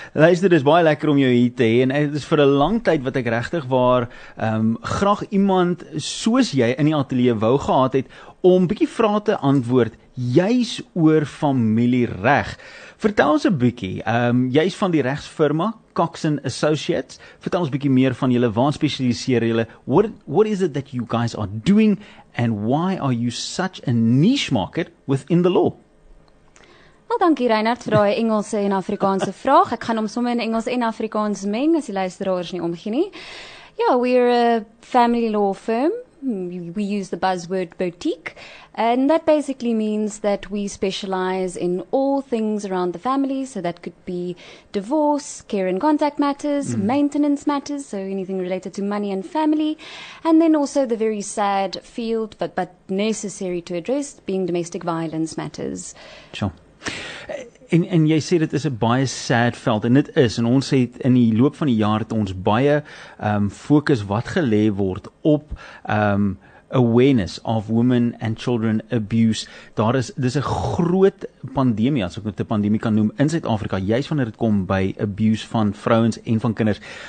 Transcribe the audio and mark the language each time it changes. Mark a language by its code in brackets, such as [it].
[af] Luister, dit is baie lekker om jou hier te hê en dit is vir 'n lang tyd wat ek regtig waar graag iemand soos jy in die ateljee wou gehad het om bietjie vrae te antwoord juis oor familiereg. Vertel ons 'n bietjie, jy's van die regsfirma Coxon Associates. Vertel ons bietjie meer van julle, waar spesialiseer julle? [en] What is it that you guys are doing and why are you such a niche market within the law? [af] Wel, dankie Reinhard vir daai Engelse en Afrikaanse vraag. Ek gaan hom sommer in Engels en Afrikaans meng as die luisteraars nie omgee nie. [en] Ja, we're a family law firm. We use the buzzword boutique, and that basically means that we specialize in all things around the family. So that could be divorce, care and contact matters, maintenance matters, so anything related to money and family, and then also the very sad field, but necessary to address, being domestic violence matters. Sure. [af] En jy sê dit is 'n baie sad veld en dit is, en ons het in die loop van die jaar het ons baie fokus wat gelê word op [en] awareness of women and children abuse. [af] Daar is, dis 'n groot pandemie, as ek dit 'n pandemie kan noem, in Suid-Afrika, juist wanneer dit kom by abuse van vrouens en van kinders.